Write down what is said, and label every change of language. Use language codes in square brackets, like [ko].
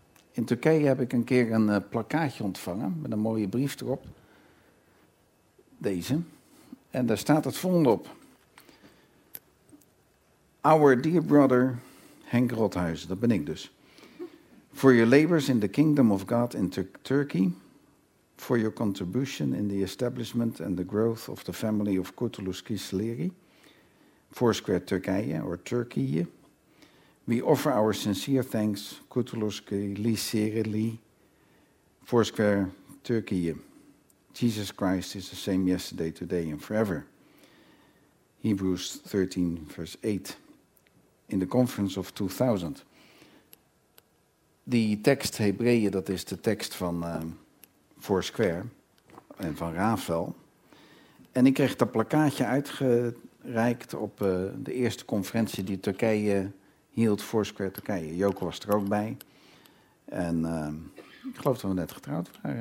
[nl] In Turkije heb ik een keer een plakkaatje ontvangen met een mooie brief erop. Deze. En daar staat het volgende op. [en] Our dear brother Henk Rothuizen, [nl] dat ben ik dus. [en] For your labors in the kingdom of God in Turkey. For your contribution in the establishment and the growth of the family of Kurtuluş Kiseleri, Foursquare Turkije, or Turkije. We offer our sincere thanks, Kurtuluş Kiseleri, Foursquare Turkije. Jesus Christ is the same yesterday, today and forever. Hebrews 13, verse 8, in the conference of 2000. [nl] Die tekst Hebreeën, dat is de tekst van Foursquare en van Rafael. En ik kreeg dat plakkaatje uitgereikt op de eerste conferentie die Turkije hield, Foursquare Turkije. Joke was er ook bij. En ik geloof dat we net getrouwd waren.